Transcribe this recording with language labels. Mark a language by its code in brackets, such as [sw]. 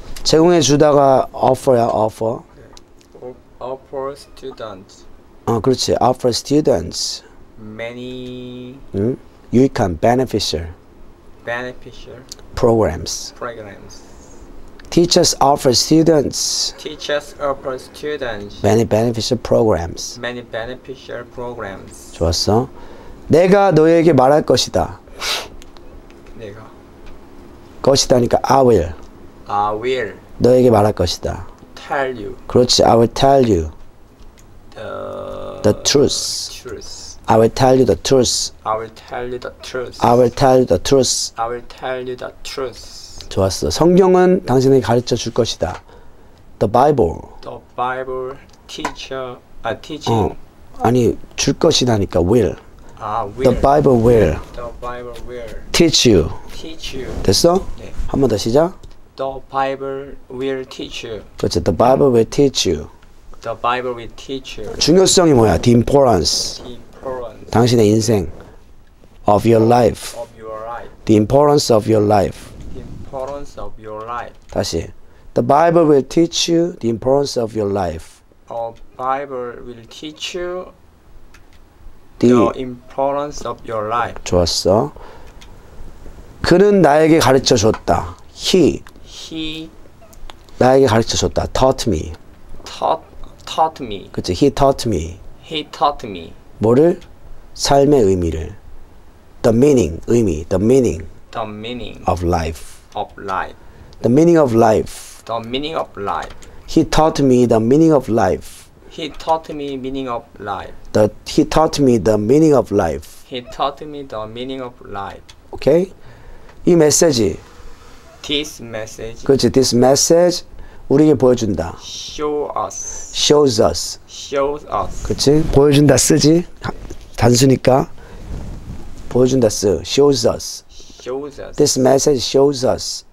[ko] 제공해 주다가 offer야 offer. [en] Okay. Offer students. [ko] 어, 그렇지. [en] Offer students. Many. [ko] 응? 유익한 beneficial. [en] Beneficial. Programs. Programs. Teachers offer students. Teachers offer students. Many beneficial programs. Many beneficial programs. [ko] 좋았어. 내가 너에게 말할 것이다. 내가. 것이다니까 [en] I will. I will. [ko] 너에게 말할 것이다. [en] Tell you. [ko] 그렇지. [en] I will tell you. The truth. Truth. I will tell you the truth. I will tell you the truth. I will tell you the truth. I will tell you the truth. [ko] 좋았어. 성경은 당신에게 가르쳐 줄 것이다. [en] The Bible. The Bible teaching. [ko] 아니, 줄 것이다니까 will. [en] Will. The Bible will. The Bible will teach you. Teach you. [ko] 됐어? 네. 한 번 더 시작. [en] The Bible will teach you. [ko] 그렇지. [en] The Bible will teach you. The Bible will teach you. [ko] 중요성이 뭐야? [en] The importance. The importance. [ko] 당신의 인생. [en] Of your life. Of your life. The importance of your life. Of your life. [ko] 다시, [en] the Bible will teach you the importance of your life. The Bible will teach you the importance of your life. [ko] 좋았어. 그는 나에게 가르쳐 줬다. He 나에게 가르쳐 줬다. [en] Taught me. Taught me. 그치. He taught me. He taught me. [ko] 뭐를? 삶의 의미를. [en] The meaning. 의미. The meaning. The meaning of life. Of life. The meaning of life. The meaning of life. He taught me the meaning of life. He taught me meaning of life. He taught me the meaning of life. He taught me the meaning of life. Okay? [ko] 이 메시지. [en] This message. [ko] 그렇지. [en] This message [ko] 우리에게 보여준다. [en] Show us. Shows us. Shows us. [ko] 그렇지? 보여준다 쓰지. 단수니까. 보여준다 쓰. [en] Shows us. This message shows us.